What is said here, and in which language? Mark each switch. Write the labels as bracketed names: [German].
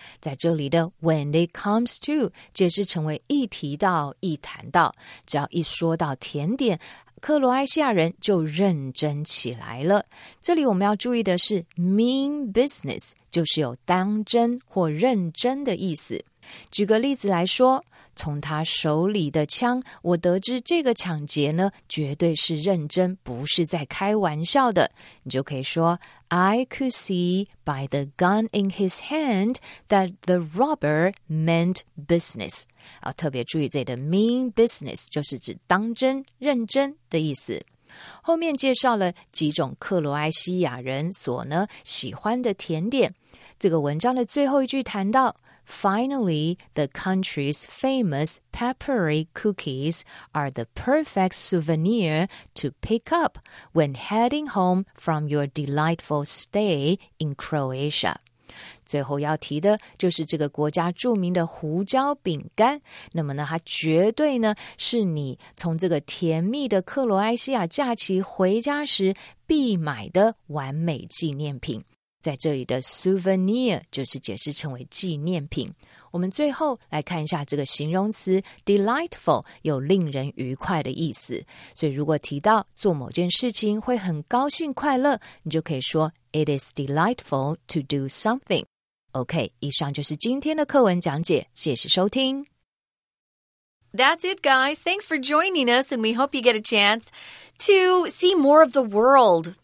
[Chinese] 在这里的 [English] when it comes to [Chinese] 解释成为一提到、一谈到，只要一说到甜点，克罗埃西亚人就认真起来了。这里我们要注意的是 mean business 就是有当真或认真的意思。举个例子来说，从他手里的枪，我得知这个抢劫呢，绝对是认真，不是在开玩笑的。你就可以说 [English] I could see by the gun in his hand that the robber meant business。 [Chinese] 特别注意这里的 mean business 就是指当真、认真的意思。后面介绍了几种克罗埃西亚人所呢喜欢的甜点。这个文章的最后一句谈到 [English] Finally, the country's famous peppery cookies are the perfect souvenir to pick up when heading home from your delightful stay in Croatia. [Chinese] 最后要提的就是这个国家著名的胡椒饼干。那么呢，它绝对呢是你从这个甜蜜的克罗埃西亚假期回家时必买的完美纪念品。在这里的 souvenir 就是解释成为纪念品。我们最后来看一下这个形容词 delightful 有令人愉快的意思，所以如果提到做某件事情会很高兴快乐，你就可以说 [English] it is delightful to do something。 [Chinese] OK， 以上就是今天的课文讲解，谢谢收听。 [English] That's it, guys. Thanks for joining us, and we hope you get a chance to see more of the world.